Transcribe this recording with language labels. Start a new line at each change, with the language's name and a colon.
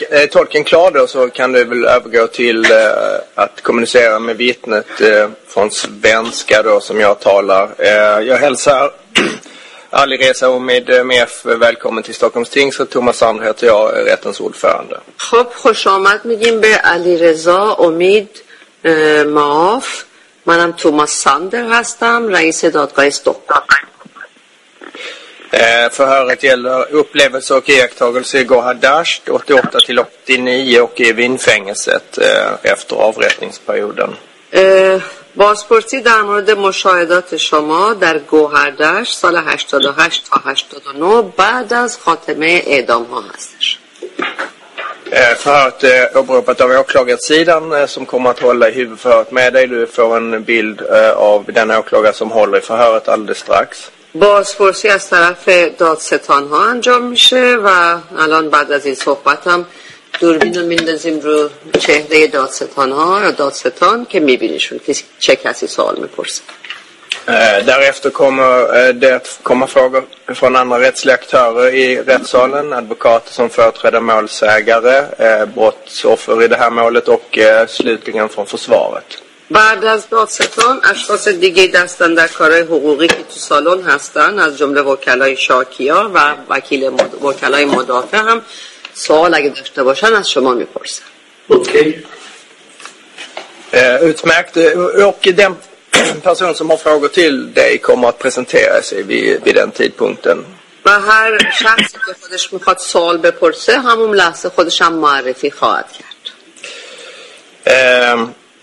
Swedish: Tolken klar då, så kan du väl övergå till att kommunicera med vittnet från svenska då, som jag talar. Jag hälsar Alireza Omidmef välkommen till Stockholms ting, så Thomas Sand heter jag, rättens ordförande.
Persian: خب خوش آمد میگیم به علیرضا امید معاف. منم Thomas Sander هستم, رئیس دادگاه استکهلم.
Swedish: Förhöret gäller upplevelse och iakttagelse i Gohardasht 88-89 och i Vinfängelset efter avrättningsperioden.
Persian: Basporti در مورد مشاهدات شما در گوهردشت سال 88 تا 89 بعد از خاتمه اعدام ها هستش.
Swedish: Förhöret åberopat av åklagarsidan som kommer att hålla i huvudförhöret med dig. Du får en bild av den åklagare som håller i förhöret alldeles strax.
Persian: بازپرسی از طرف دادستان ها انجام میشه و الان بعد از این صحبت هم دوربین رو میندازیم رو چهره دادستان ها و دادستان که میبینیشون چه کسی سوال میپرسه.
Swedish: Därefter kommer det att komma frågor från andra rättsliga aktörer i rättssalen, advokater som företräder målsägare, brottsoffer i det här målet och slutligen från försvaret.
Persian: بعد از دادستان اشخاص دیگه دستن در کارهای حقوقی که تو سالن هستن از جمله وکلای شاکیا و وکیل وکلای مدافع هم سوال اگه داشته باشن از شما میپرسن.
Swedish: اوکی. Utmärkt. Och den person som har frågor till dig kommer att presentera sig vid den tidpunkten.
Persian: و هر شخصی که خودش میخواد سوال بپرسه همون لحظه خودش هم معرفی خواهد کرد.